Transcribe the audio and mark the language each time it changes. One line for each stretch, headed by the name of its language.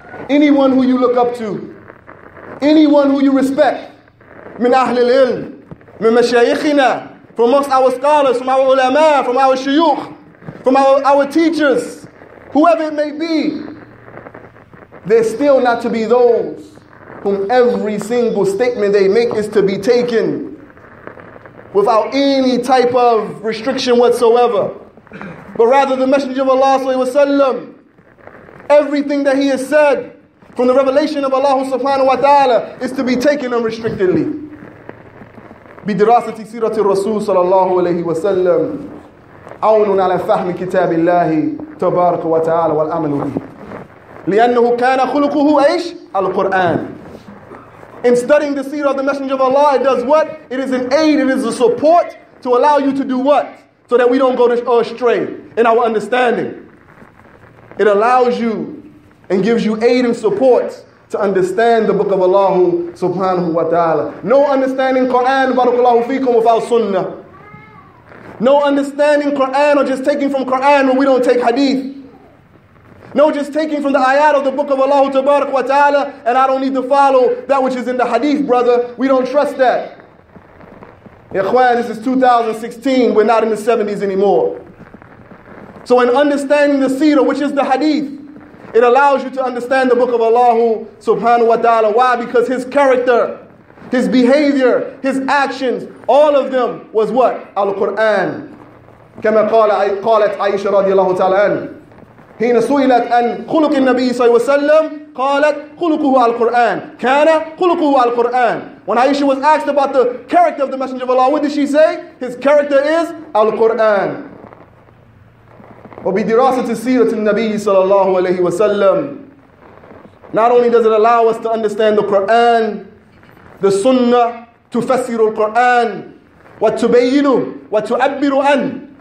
English: Anyone who you look up to, anyone who you respect,
Arabic: مِنْ أَهْلِ الْإِلْمِ مِنْ مَشَيْخِنَا,
English: from amongst our scholars, from our ulama, from our shuyukh, from our teachers, whoever it may be, they're still not to be those whom every single statement they make is to be taken without any type of restriction whatsoever. But rather the Messenger of Allah sallallahu alayhi wa sallam, everything that he has said from the revelation of Allah subhanahu wa ta'ala is to be taken unrestrictedly.
Arabic: بدراسة سيرة الرسول صلى الله عليه وسلم عون على فهم كتاب الله تبارك وتعالى والأمل به لأنه كان خلقه أيش؟ القرآن.
English: In studying the seerah of the Messenger of Allah, it does what? It is an aid, it is a support to allow you to do what? So that we don't go astray in our understanding. It allows you and gives you aid and support to understand the book of Allah subhanahu wa ta'ala. No understanding Quran barakallahu feekum without sunnah. No understanding Quran or just taking from Quran when we don't take hadith. No, just taking from the ayat of the book of Allah Tabarak wa Ta'ala, and I don't need to follow that which is in the hadith, brother. We don't trust that. Ikhwan, this is 2016. We're not in the 70s anymore. So in understanding the seerah, which is the hadith, it allows you to understand the book of Allah subhanahu wa ta'ala. Why? Because his character, his behavior, his actions, all of them was what?
Arabic: Al-Quran. كما قالت عائشة رضي الله تعالى عنها حين سئلت عن خلق النبي صلى الله عليه وسلم قالت خلقه القرآن كان خلقه القرآن.
English: When Aisha was asked about the character of the Messenger of Allah, what did she say? His character is القرآن.
Arabic: وبدراسة سيرة النبي صلى الله عليه وسلم,
English: not only does it allow us to understand the Quran, the Sunnah,
Arabic: تفسير القرآن وتبينه وتعبر عنه.